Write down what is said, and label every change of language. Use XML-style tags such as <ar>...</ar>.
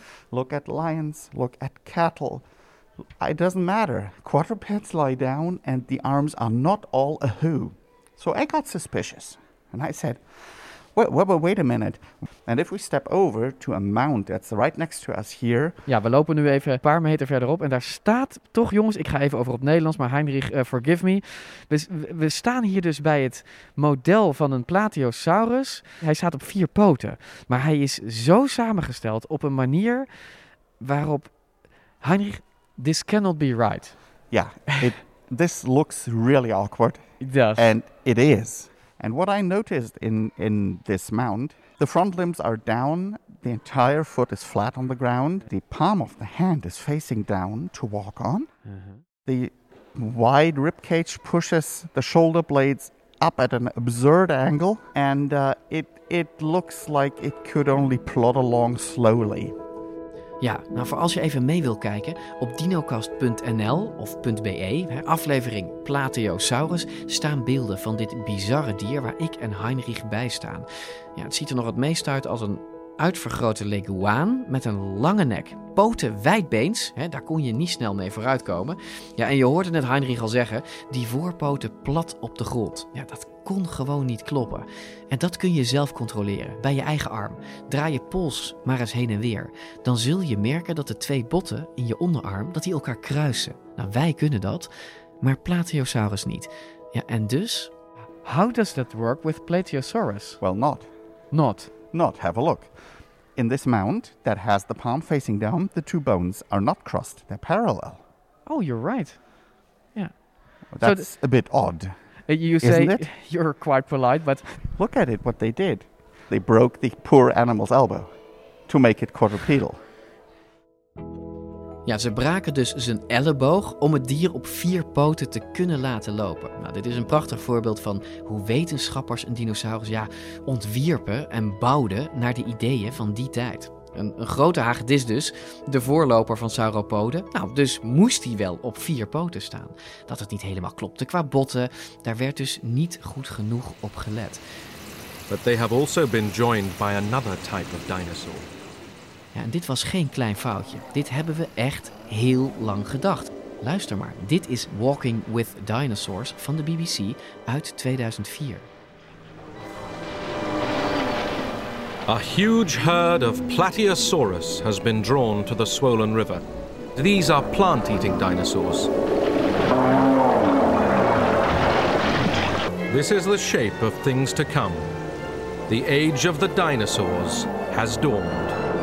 <en>Look at lions, look at cattle. It doesn't matter. Quadrupeds lie down and the arms are not all a who. So I got suspicious and I said, wait a minute. And if we step over to a mound that's right next to us here.</en> <nl>Ja, we lopen nu even een paar meter verderop. En daar staat toch, jongens, ik ga even over op Nederlands, maar Heinrich,</nl> <en>forgive me.</en> <nl>We staan hier dus bij het model van een plateosaurus. Hij staat op vier poten. Maar hij is zo samengesteld op een manier waarop...</nl> <en>Heinrich, this cannot be right. Ja, this looks really awkward. It does. And it is. And what I noticed in this mound, the front limbs are down, the entire foot is flat on the ground, the palm of the hand is facing down to walk on, mm-hmm. the wide ribcage pushes the shoulder blades up at an absurd angle, and it looks like it could only plod along slowly.</en> <nl>Ja, nou voor als je even mee wil kijken, op dinocast.nl of .be, aflevering Plateosaurus, staan beelden van dit bizarre dier waar ik en Heinrich bij staan. Ja, het ziet er nog het meest uit als een uitvergrote leguaan met een lange nek. Poten wijdbeens, hè, daar kon je niet snel mee vooruitkomen. Ja, en je hoorde net Heinrich al zeggen, die voorpoten plat op de grond. Ja, dat kon gewoon niet kloppen. En dat kun je zelf controleren, bij je eigen arm. Draai je pols maar eens heen en weer. Dan zul je merken dat de twee botten in je onderarm, dat die elkaar kruisen. Nou, wij kunnen dat, maar Plateosaurus niet. Ja, en dus...</nl> <en>How does that work with Plateosaurus? Well, not. Not. Not. Have a look. In this mound that has the palm facing down, the two bones are not crossed. They're parallel. Oh, you're right. Yeah. Well, that's so a bit odd. You say isn't it? You're quite polite, but... Look at it, what they did. They broke the poor animal's elbow to make it quadrupedal.</en> <nl>Ja, ze braken dus zijn elleboog om het dier op vier poten te kunnen laten lopen. Nou, dit is een prachtig voorbeeld van hoe wetenschappers een dinosaurus ontwierpen en bouwden naar de ideeën van die tijd. Een grote hagedis dus, de voorloper van sauropoden. Nou, dus moest hij wel op vier poten staan. Dat het niet helemaal klopte qua botten, daar werd dus niet goed genoeg op gelet.</nl> <en>But they have also been joined by another type of dinosaur.</en> <nl>Ja, en dit was geen klein foutje. Dit hebben we echt heel lang gedacht. Luister maar, dit is Walking with Dinosaurs van de BBC uit 2004.</nl> <en>A huge herd of Plateosaurus has been drawn to the swollen river. These are plant-eating dinosaurs. This is the shape of things to come. The age of the dinosaurs has dawned.</en>